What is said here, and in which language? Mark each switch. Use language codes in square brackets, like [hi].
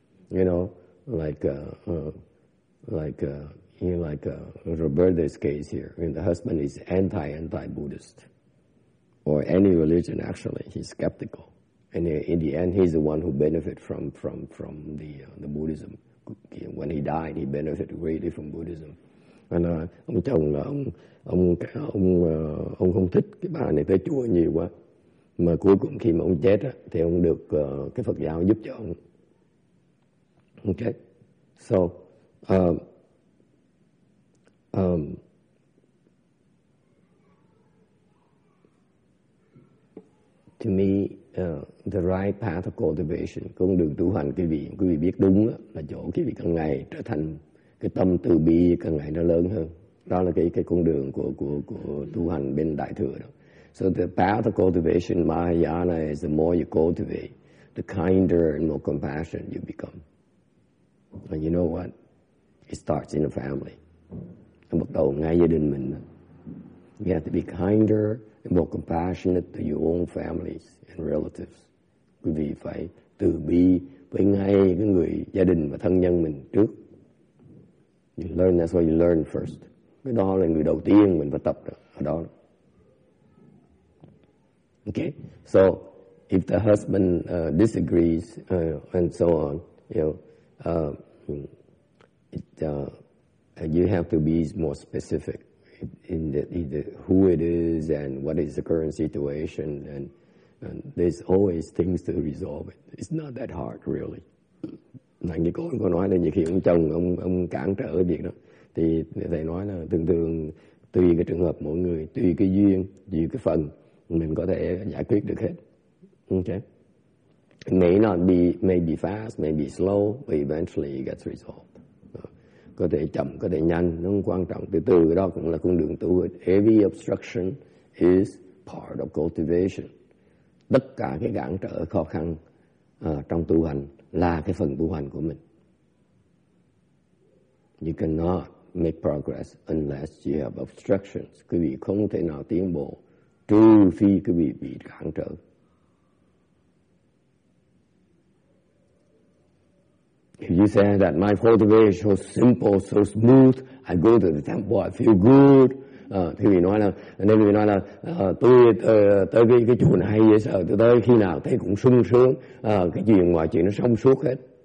[en] You know, like Roberta's case here, the husband is anti-Buddhist, or any religion actually, he's skeptical. And in the end, he's the one who benefited from the Buddhism. When he died, he benefited greatly from Buddhism. [vi] Anh ông chồng là ông không thích cái bà này tới chùa nhiều quá, mà cuối cùng khi mà ông chết á thì ông được cái Phật giáo giúp cho ông. [en] Okay, so to me the right path of cultivation, [vi] con đường tu hành quý vị biết đúng á, là chỗ quý vị càng ngày trở thành cái tâm từ bi càng ngày nó lớn hơn. Đó là cái con đường của tu hành bên Đại Thừa đó. [en] So the path of cultivation Mahayana is the more you cultivate, the kinder and more compassionate you become. And you know what? It starts in the family. [vi] Bắt đầu ngay gia đình mình. [en] You have to be kinder and more compassionate to your own families and relatives. [vi] Quý vị phải từ bi với ngay cái người gia đình và thân nhân mình trước. [en] You learn, that's what you learn first. [vi] Cái đó là người đầu tiên mình phải tập ở đó. [en] Okay, so if the husband disagrees and so on, you know, you have to be more specific in the who it is and what is the current situation, and there's always things to resolve it. It's not that hard, really. [vi] Này như có người nói là nhiều khi ông chồng ông cản trở cái việc đó, thì thầy nói là thường thường tùy cái trường hợp mỗi người, tùy cái duyên, tùy cái phần mình có thể giải quyết được hết. [en] Okay. It may not be, may be fast, may be slow, but eventually it gets resolved. [vi] Có thể chậm, có thể nhanh, nó không quan trọng. Từ từ cái đó cũng là con đường tu. [en] Every obstruction is part of cultivation. [vi] Tất cả cái cản trở khó khăn trong tu hành là cái phần tu hành của mình. [en] You cannot make progress unless you have obstructions. [vi] Quý vị không thể nào tiến bộ trừ phi quý vị bị cản trở. [en] If you say that my cultivation is so simple, so smooth, I go to the temple, I feel good. [vi] Thì vì nói là, nên vì nói là, tôi tới cái chùa này hay dễ sợ, tôi tới khi nào thấy cũng sung sướng, cái chuyện ngoài chuyện nó xong suốt hết.